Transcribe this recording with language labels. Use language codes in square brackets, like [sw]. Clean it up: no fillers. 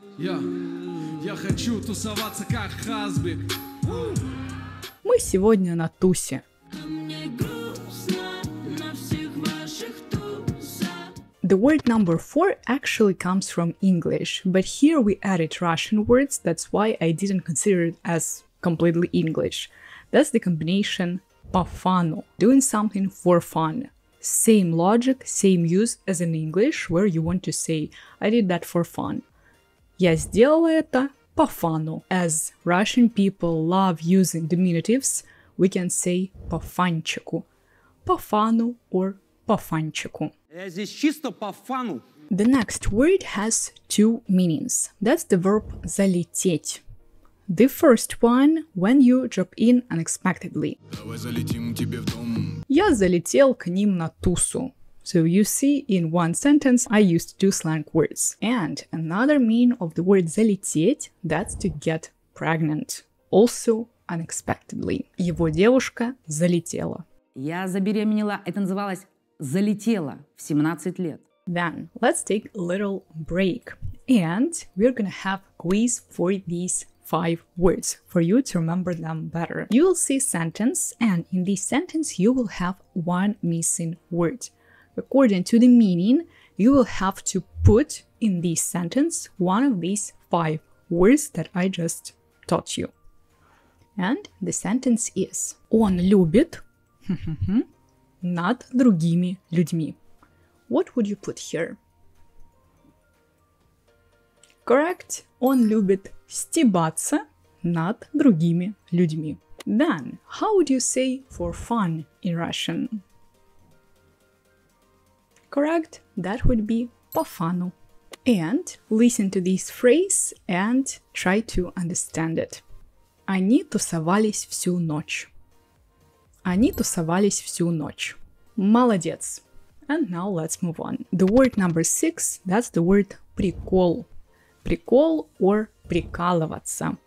[ru] Я хочу тусоваться как хазбик. Мы сегодня на тусе. Мне грустно на всех ваших туса. [en] The word number 4 actually comes from English, but here we added Russian words, that's why I didn't consider it as completely English. That's the combination по фану, doing something for fun. Same logic, same use as in English, where you want to say, I did that for fun. [ru] Я сделала это по фану. [en] As Russian people love using diminutives, we can say по фанчику. [ru] По фану or по фанчику. Я здесь чисто по фану. [en] The next word has two meanings. That's the verb залететь. The first one, when you drop in unexpectedly. [ru] Давай залетим тебе в дом. Я залетел к ним на тусу. [en] So you see, in one sentence, I used two slang words. And another mean of the word залететь, that's to get pregnant. Also unexpectedly. [ru] Его девушка залетела. Я забеременела, это называлось залетела в 17 лет. [en] Then, let's take a little break. And we're gonna have a quiz for these 5 words for you to remember them better. You will see sentence, and in this sentence you will have one missing word. According to the meaning, you will have to put in this sentence one of these 5 words that I just taught you. And the sentence is: [ru] он любит над другими людьми. [en] What would you put here? Correct. [ru] Он любит стебаться над другими людьми. [en] Then, how would you say for fun in Russian? Correct. That would be по фану. And listen to this phrase and try to understand it. [ru] Они тусовались всю ночь. Они тусовались всю ночь. Молодец. [en] And now let's move on. The word number 6, that's the word прикол. [ru] Прикол or прикалываться.